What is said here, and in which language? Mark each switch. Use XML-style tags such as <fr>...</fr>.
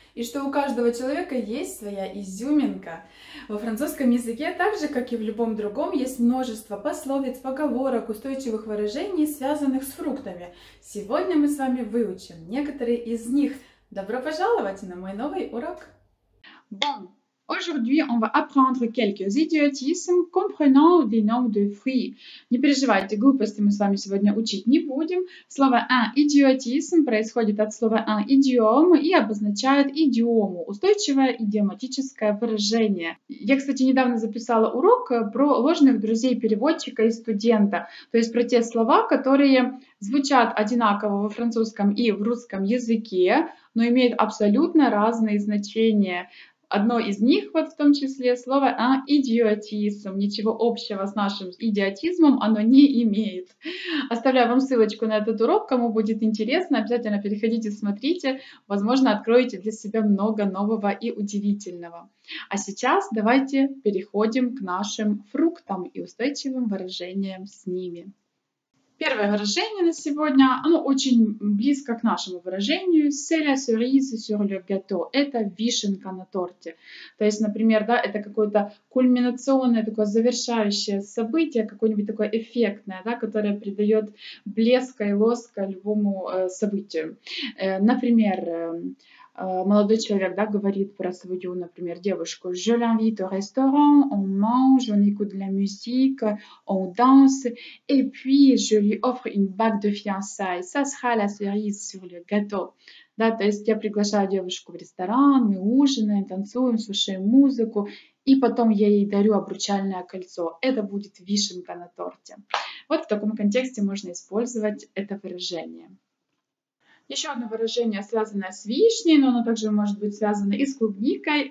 <ru>И что у каждого человека есть своя изюминка? Во французском языке, так же, как и в любом другом, есть множество пословиц, поговорок, устойчивых выражений, связанных с фруктами. Сегодня мы с вами выучим некоторые из них. Добро пожаловать на мой новый урок!</ru> <fr>Bon. Aujourd'hui, on va apprendre quelques idiotismes comprenant les noms de fruits.</fr> <ru>Не переживайте, глупости мы с вами сегодня учить не будем. Слово un idiotisme происходит от слова un idiome и обозначает идиому, устойчивое идиоматическое выражение. Я, кстати, недавно записала урок про ложных друзей переводчика и студента, то есть про те слова, которые звучат одинаково во французском и в русском языке, но имеют абсолютно разные значения. Одно из них, вот в том числе, слово «идиотизм». Ничего общего с нашим идиотизмом оно не имеет. Оставляю вам ссылочку на этот урок. Кому будет интересно, обязательно переходите, смотрите. Возможно, откроете для себя много нового и удивительного. А сейчас давайте переходим к нашим фруктам и устойчивым выражениям с ними. Первое выражение на сегодня, оно очень близко к нашему выражению.</ru> <fr>C'est la cerise sur le gâteau.</fr> <ru>Это вишенка на торте. То есть, например, да, это какое-то кульминационное, такое завершающее событие, какое-нибудь такое эффектное, да, которое придает блеска и лоска любому событию. Например, молодой человек, да, говорит про свою, например, девушку.</ru> <fr>Je l'invite au restaurant, on mange, on écoute de la musique, on danse, et puis je lui offre une bague de fiançailles. Ça sera la cerise sur le gâteau.</fr> <ru>Да, то есть я приглашаю девушку в ресторан, мы ужинаем, танцуем, слушаем музыку, и потом я ей дарю обручальное кольцо. Это будет вишенка на торте. Вот в таком контексте можно использовать это выражение. Еще одно выражение, связанное с вишней, но оно также может быть связано и с клубникой.</ru>